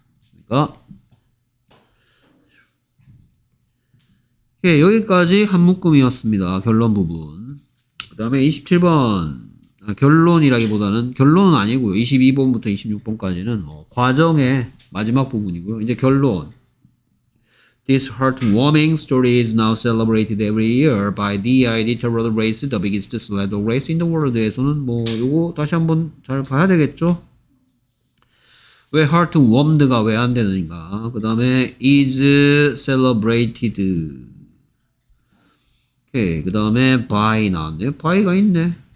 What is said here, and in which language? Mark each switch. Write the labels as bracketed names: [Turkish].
[Korean] 그러니까 예, 여기까지 한 묶음이었습니다. 결론 부분. 그 다음에 27번 결론이라기보다는 결론은 아니고요. 22번부터 26번까지는 뭐 과정의 마지막 부분이고요. 이제 결론. [English] This heartwarming story is now celebrated every year by DID Terrell Race, the biggest sled dog race in the world. [Korean] 에서는 뭐 이거 다시 한번 잘 봐야 되겠죠. 왜 heartwarmed가 왜 안 되는가. 그 다음에 is celebrated. 오케이. 그 다음에 by 나왔네. by가 있네.